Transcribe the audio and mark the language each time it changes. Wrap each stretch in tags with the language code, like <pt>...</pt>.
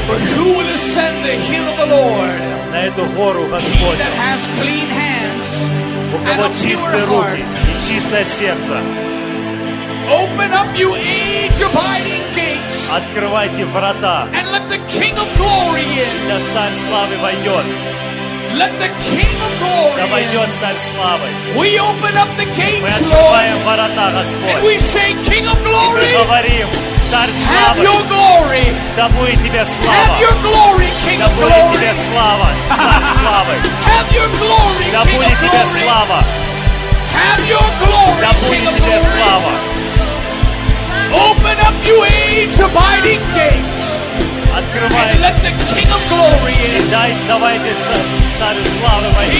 <en>For who will ascend the hill of the Lord?</en> <ru>На эту гору Господню.</ru> <en>He that has clean hands and a pure heart.</en> <ru>У кого чистые руки и чистое сердце.</ru> <en>Open up, you age-abiding gates.</en> <ru>Открывайте врата.</ru> <en>And let the King of Glory in.</en> <ru>Да царь славы войдет.</ru> <en>Let the King of Glory in.</en> <ru>Да войдет царь славы.</ru> <en>We open up the gates, Lord.</en> <ru>Мы открываем врата, Господь.</ru> <en>And we say, King of Glory.</en> <ru>И мы говорим, царь славы.</ru> <en>Have your glory.</en> <ru>Да будет тебе слава.</ru> <en>Have your glory, King of Glory.</en> <ru>Да будет тебе слава, царь славы.</ru> <en>Have your glory, King of Glory.</en> <ru>Да будет тебе слава.</ru> <en>Have your glory, King of Glory.</en> <ru>Да будет тебе слава.</ru> <en>Open up, you age-abiding gates.</en> <ru>Открывай.</ru> <en>And let the King of Glory in.</en> <ru>Дай, давайте, царь славы войти.</ru>